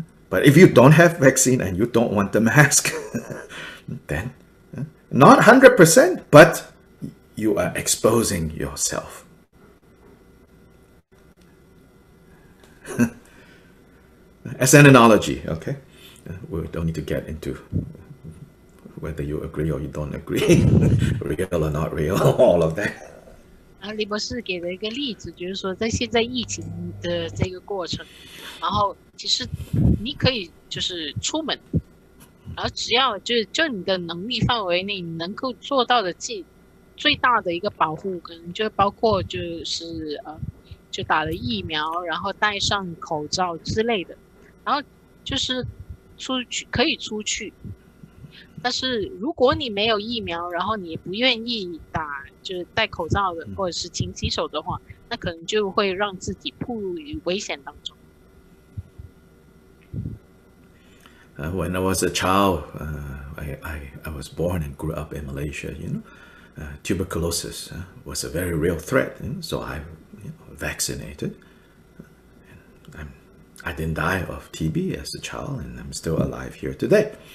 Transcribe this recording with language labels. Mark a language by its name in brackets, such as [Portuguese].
[English] But if you don't have vaccine and you don't want the mask, then not 100%, but you are exposing yourself. As an analogy, okay? We don't need to get into whether you agree or you don't agree, real or not real, all of that. [Chinese] 李博士给了一个例子，就是说在现在疫情的这个过程，然后其实你可以就是出门，然后只要就你的能力范围内你能够做到的最大的一个保护，可能就包括就是就打了疫苗，然后戴上口罩之类的，然后就是出去可以出去，但是如果你没有疫苗，然后你不愿意打就是戴口罩的或者是勤洗手的话，那可能就会让自己暴露于危险当中。 [English] When I was a child, I was born and grew up in Malaysia. You know, tuberculosis was a very real threat. You know? So I, you know, vaccinated. I didn't die of TB as a child, and I'm still alive here today.